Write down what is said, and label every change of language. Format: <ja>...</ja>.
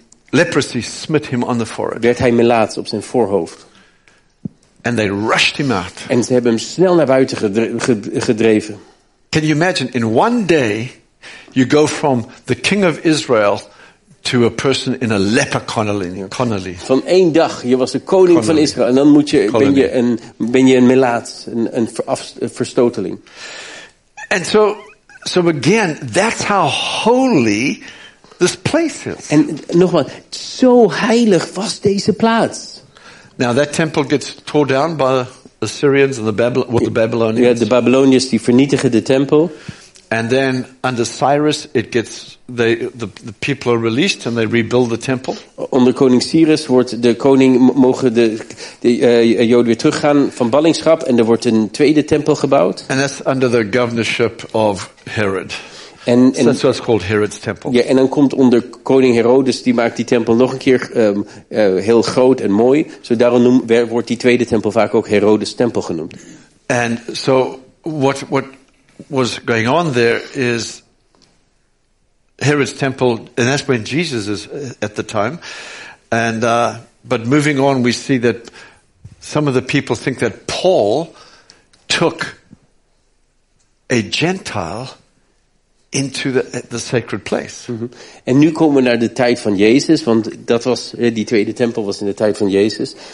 <en>leprosy smit him on the forehead.</en> <nl>Werd hij melaats op zijn voorhoofd.</nl> <en>And they rushed him out.</en> <nl>En ze hebben hem snel naar buiten gedreven.</nl> <en>Can you imagine? In one day, you go from the king of Israel to a person in a leper colony.</en> <nl>Van één dag, je was de koning van Israël, en dan ben je een melaats, een verstoteling.</nl> <en>And so again, that's how holy this place is.</en> <nl>En nogmaals, zo heilig was deze plaats.</nl> <en>Now that temple gets torn down by the Assyrians and the Babylonians.</en> <nl>Ja, de Babyloniërs die vernietigen de tempel.</nl> <en>And then under Cyrus, it gets the people are released and they rebuild the temple.</en> <nl>Onder koning Cyrus wordt de koning mogen de Joden weer teruggaan van ballingschap en er wordt een tweede tempel gebouwd.</nl> <en>And that's under the governorship of Herod. And that's what's called Herod's temple.</en> <nl>Ja, en dan komt onder koning Herodes die maakt die tempel nog een keer heel groot en mooi. Zo daarom wordt die tweede tempel vaak ook Herodes' tempel genoemd.</nl> <en>And so what was going on there is Herod's temple, and that's when Jesus is at the time. And but moving on, we see that some of the people think that Paul took a Gentile into the sacred place. Mm-hmm.</en> <nl>En nu komen we naar de tijd van Jezus, want dat was die tweede tempel was in de tijd van Jezus.</nl>